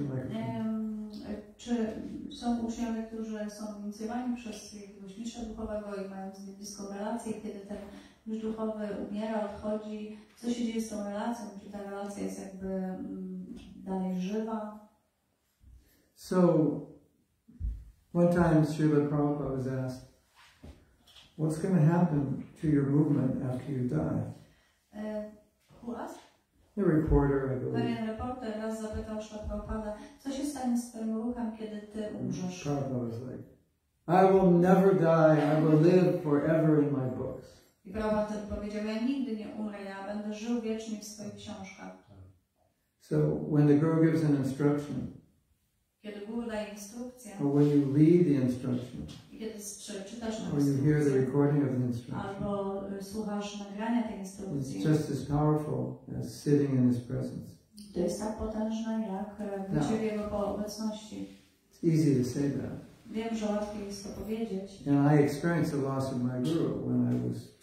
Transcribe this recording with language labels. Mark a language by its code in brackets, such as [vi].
[en] Yeah, [pl] czy są uczniowie, którzy są inicjowani przez jakiegoś mistrza duchowego i mają z nim bliską relację, kiedy ten mistrz duchowy umiera, odchodzi, co się dzieje z tą relacją? Czy ta relacja jest jakby dalej żywa? [en] So, one time Srila Prabhupada was asked, what's going to happen to your movement after you die? Who asked? The reporter, I believe. [pl] Pewien reporter raz zapytał Śrila Prabhupada, co się stanie z twoim ruchem, kiedy ty umrzesz? [en] Prabhupada was like, I will never die, I will live forever in my books. [pl] I Prabhupada wtedy powiedział, ja nigdy nie umrę, ja będę żył wiecznie w swoich książkach. [en] So, when the guru gives an instruction, [pl] kiedy guru daje instrukcję, [en] or when you read the instruction, [pl] kiedy czytasz [en] or you hear the recording of the instruction, [pl] albo słuchasz nagrania tej instrukcji, [en] it's just as powerful as sitting in his presence. [pl] To jest tak potężne, jak bycie w jego obecności. [en] It's easy to say that. [pl] Wiem, że łatwiej jest to powiedzieć. [en] And I experienced the loss of my guru when I was